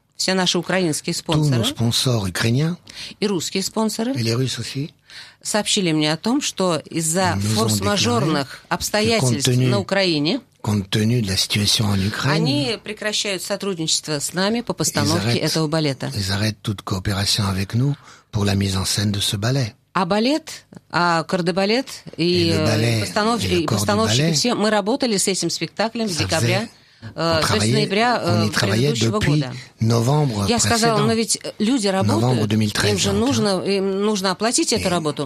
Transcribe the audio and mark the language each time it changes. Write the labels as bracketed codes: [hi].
[ru] все наши украинские спонсоры и русские спонсоры сообщили мне о том, что из-за форс-мажорных обстоятельств на Украине они прекращают сотрудничество с нами по постановке этого балета. [fr] Ils arrêtent toute coopération avec nous pour la mise en scène de ce ballet. [ru] А балет, а кордебалет и постановщики все, мы работали с этим спектаклем с декабря. То есть ноября предыдущего года. Я сказала, но ведь люди работают, им же нужно оплатить эту работу.